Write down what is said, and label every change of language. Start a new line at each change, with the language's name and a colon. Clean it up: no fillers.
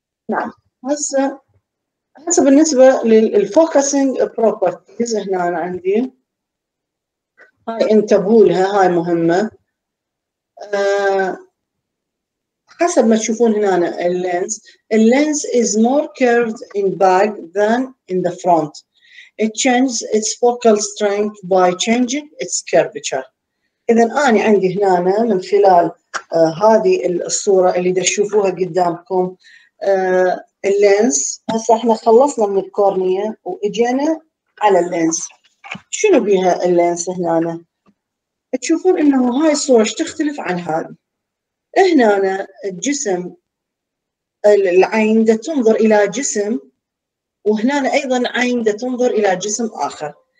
Arabic: نعم، هسه بالنسبة للفوكسينج بروبرتيز، هنا أنا عندي هاي انتبهولها، هاي مهمة. حسب ما تشوفون هنا اللينز،
English: اللينز is more curved in back than in the front. It changes its focal strength by changing its curvature.
Arabic: إذا أنا عندي هنا من خلال هذه الصورة اللي تشوفوها قدامكم اللينز، هسا احنا خلصنا من الكورنيا واجينا على اللينز. شنو بيها اللينز هنا؟ تشوفون انه هاي الصورة ايش تختلف عن هذه؟ هنا الجسم العين دا تنظر الى جسم، وهنا ايضا عين دا تنظر الى جسم اخر.